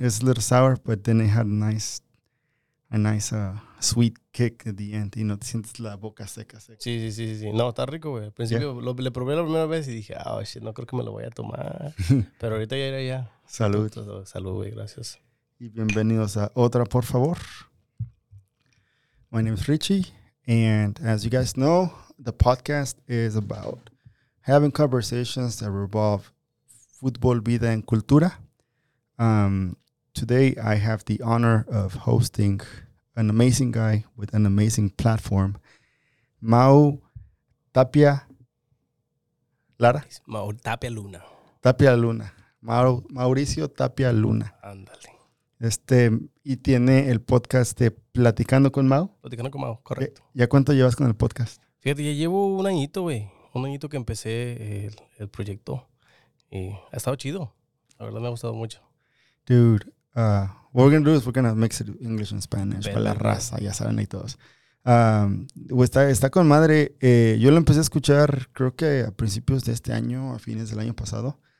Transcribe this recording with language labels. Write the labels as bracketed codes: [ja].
[en] It's a little sour, but then it had a nice sweet kick at the end. You know, [es] te sientes la boca seca. Sí. No, está rico, güey. Al principio le probé la primera vez y dije, [en] oh, shit, [es] no creo que me lo vaya a tomar. Pero ahorita ya era ya. Salud. Salud, güey, gracias. Y bienvenidos a Otra, por favor. [en] My name is Richie, and as you guys know, the podcast is about having conversations that revolve football, vida, and cultura. Today, I have the honor of hosting an amazing guy with an amazing platform, Mau Tapia Lara. [es] Mau Tapia Luna. Tapia Luna. Mauricio Tapia Luna. Ándale. Y tiene el podcast de Platicando con Mau. Platicando con Mau, correcto. ¿Ya cuánto llevas con el podcast? Fíjate, ya llevo un añito, güey. Un añito que empecé el proyecto. Y ha estado chido. La verdad, me ha gustado mucho. [en] Dude, what we're going to do is we're going to mix it English and Spanish. [es] Para la raza, ya saben ahí todos. Está con madre. Yo lo empecé a escuchar, creo que a principios de este año, a fines del año pasado.